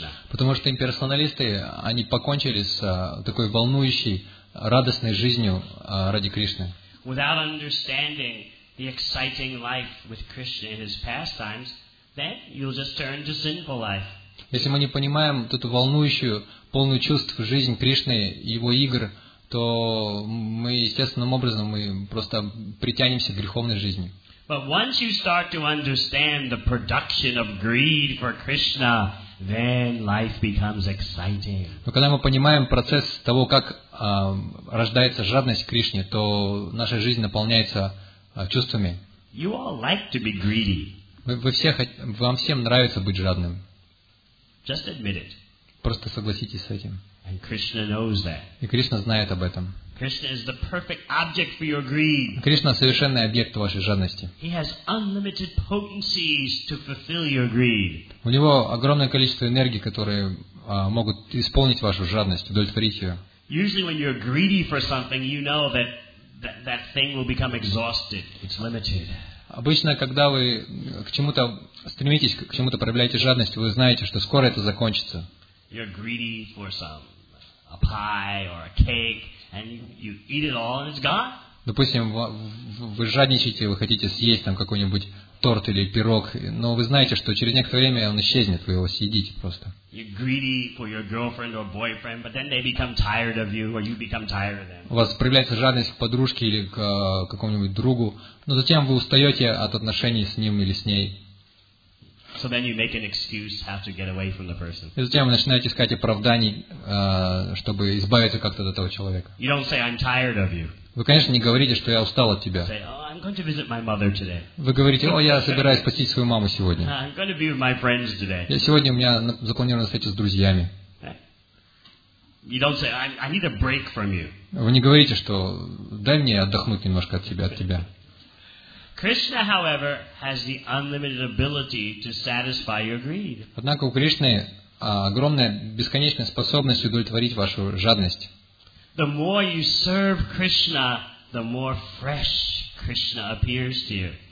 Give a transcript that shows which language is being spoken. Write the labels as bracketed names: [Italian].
[Russian] Потому что имперсоналисты, они покончили с такой волнующей, радостной жизнью ради Кришны. [English] Without understanding the exciting life with Krishna in his pastimes, then you'll just turn to sinful life. [Russian] Если мы не понимаем эту волнующую, полную чувств жизнь Кришны и его игр, то мы естественным образом мы просто притянемся к греховной жизни. [English] But once you start to understand the production of greed for Krishna, then life becomes exciting. [Russian] Но когда мы понимаем процесс того, как рождается жадность Кришне, то наша жизнь наполняется чувствами. [English] You all like to be greedy. [Russian] Вам всем нравится быть жадным. [English] Just admit it. [Russian] Просто согласитесь с этим. [English] And Krishna knows that. [Russian] И Кришна знает об этом. [English] Krishna is the perfect object for your greed. [Russian] Кришна совершенный объект вашей жадности. [English] He has unlimited potencies to fulfill your greed. [Russian] У него огромное количество энергии, которые могут исполнить вашу жадность, удовлетворить ее. [English] Usually when you're greedy for something, you know that thing will become exhausted. It's limited. [Russian] Обычно, когда вы к чему-то стремитесь, к чему-то проявляете жадность, вы знаете, что скоро это закончится. [English] You're greedy for some a pie or a cake, and you eat it all, and it's gone. [Russian] Допустим, вы жадничаете, вы хотите съесть там какой-нибудь торт или пирог, но вы знаете, что через некоторое время он исчезнет, вы его съедите просто. [English] You're greedy for your girlfriend or boyfriend, but then they become tired of you, or you become tired of them. [Russian] У вас проявляется жадность к подружке или к какому-нибудь другу, но затем вы устаете от отношений с ним или с ней. [English] So then you make an excuse how to get away from the person. [Russian] И затем вы начинаете искать оправданий, чтобы избавиться как-то от этого человека. [English] You don't say, I'm tired of you. [Russian] Вы, конечно, не говорите, что я устал от тебя. [English] Say, oh, I'm going to visit my mother today. [Russian] Вы говорите, о, я собираюсь посетить свою маму сегодня. [English] I'm going to be with my friends today. [Russian] Я сегодня у меня запланирована встреча с друзьями. [English] You don't say, I need a break from you. [Russian] Вы не говорите, что дай мне отдохнуть немножко от тебя. [English] Krishna, however, has the unlimited ability to satisfy your greed. [Russian] Однако у Кришны огромная бесконечная способность удовлетворить вашу жадность. [English] The more you serve Krishna, the more fresh Krishna appears to you.